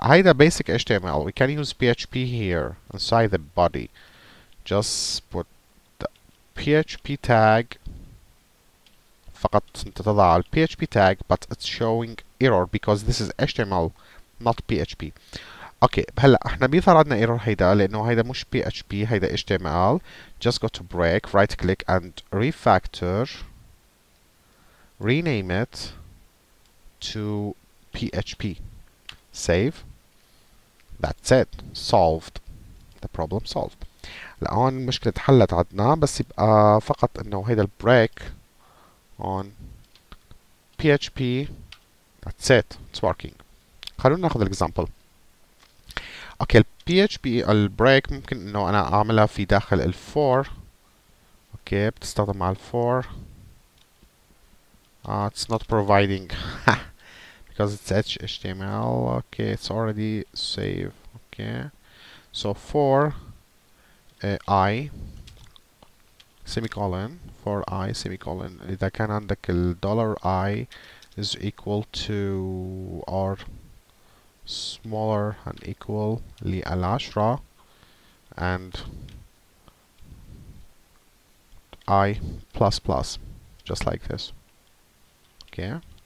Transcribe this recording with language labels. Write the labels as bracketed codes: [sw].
[en] Hi, the basic HTML. We can use PHP here inside the body. Just put the PHP tag. [ar] فقط انت تضع ال [en] PHP tag, but it's showing error because this is HTML, not PHP. [ar] Okay, هلا احنا بيظهر عندنا error هيدا لانه هيدا مش PHP, هيدا HTML. [en] Just go to break, right click and refactor. Rename it to PHP. Save. That's it. Solved. The problem solved. [ar] الآن المشكلة تحلت عندنا، بس يبقى فقط إنه هيدا البريك on PHP. [en] That's it. It's working. [ar] خلونا ناخذ الإكزامبل. أوكي، الـ PHP البريك ممكن إنه أنا أعملها في داخل الـ for. أوكي، بتستخدم مع الـ for. [en] It's not providing. Because it's HTML, okay, it's already saved, okay. So for I semicolon, for I semicolon, [ar] إذا كان عندك ال [en] dollar I is equal to or smaller and equal [ar] للعشرة [en] and I plus plus, just like this, okay.